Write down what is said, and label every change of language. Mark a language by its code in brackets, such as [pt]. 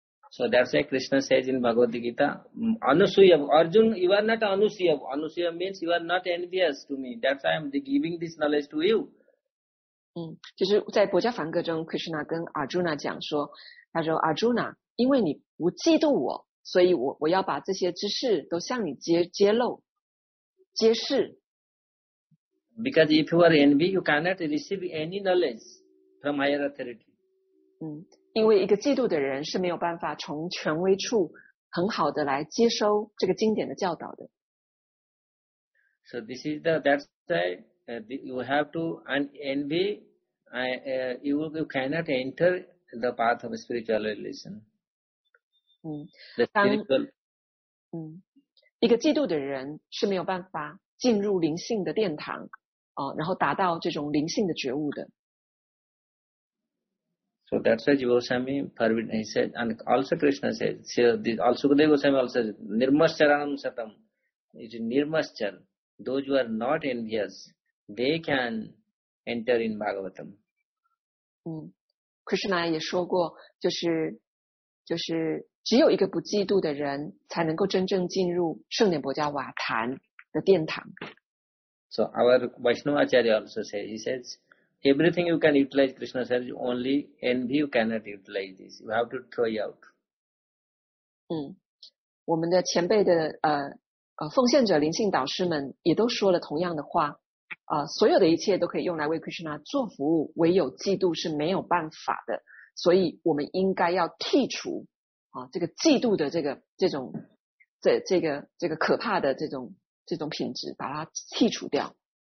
[en] So that's why Krishna says in Bhagavad Gita, Anusuyam, Arjun, you are not Anusuyam. Anusuyam means you are not envious to me. That's why I'm giving this knowledge to you. [zh] 就是在薄伽梵歌中 ，Krishna 跟 Arjuna 讲说，他说 Arjuna， 因为你不嫉妒我，所以我要把这些知识都向你揭示。 [en] Because if you are envy, you cannot receive any knowledge from higher authority. [zh] 因为一个嫉妒的人是没有办法从权威处很好的来接收这个经典的教导的。 [en] So this is that's why you have to an envy. You cannot enter the path of spiritual realization. The spiritual. [zh] 一个嫉妒的人是没有办法进入灵性的殿堂。然后达到这种灵性的觉悟的。 [en] So that's why Jiva Goswami forbid, he said, and also Krishna says, Sukadeva Goswami also says, Nirmascharanam Satam, it is Nirmaschar. Those who are not envious, they can enter in Bhagavatam. [zh] Krishna 也说过，就是只有一个不嫉妒的人才能够真正进入圣典薄伽瓦坛的殿堂。 [en] So our Vaishnava Acharya also says, he says, everything you can utilize Krishna says, only envy you cannot utilize this. You have to throw it out. [zh] 我们的前辈的奉献者灵性导师们也都说了同样的话，所有的一切都可以用来为 Krishna 做服务，唯有嫉妒是没有办法的。所以我们应该要剔除这个嫉妒的这个可怕的这种品质，把它剔除掉。